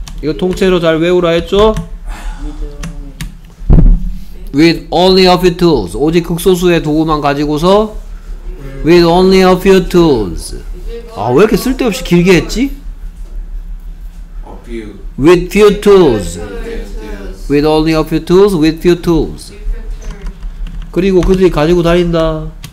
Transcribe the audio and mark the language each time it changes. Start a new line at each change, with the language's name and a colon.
Korean: 이거 통째로 잘 외우라 했죠?
English: With only a few tools.
Korean: 오직 극소수의 도구만 가지고서
English: With only a few tools.
Korean: 아, 왜 이렇게 쓸데없이 길게 했지?
English: With few tools. With only a few tools, with few tools.
Korean: 그리고 그들이 가지고 다닌다.